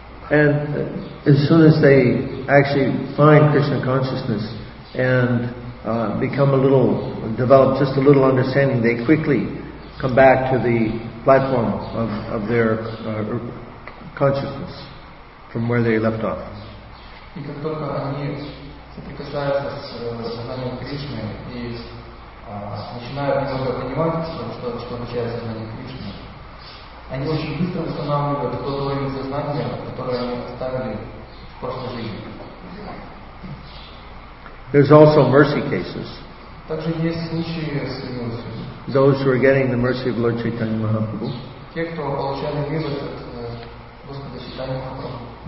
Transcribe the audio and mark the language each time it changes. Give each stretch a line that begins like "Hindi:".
English: And as soon as they actually find Krishna consciousness and become a little, develop just a little understanding, they quickly come back to the platform of their consciousness from where they left off.
Russian: И как только они соприкасаются с сознанием Кришны и начинают немного понимать, что означает сознание Кришны, они очень быстро восстанавливают тот уровень сознания, которое они оставили в прошлой жизни.
English: There's also mercy cases.
Russian: Также есть случаи с милостью.
English: Those who are getting the mercy of Lord Chaitanya Mahaprabhu.
Russian: Те, кто получали милость от Господа Чайтанья Махапрабху.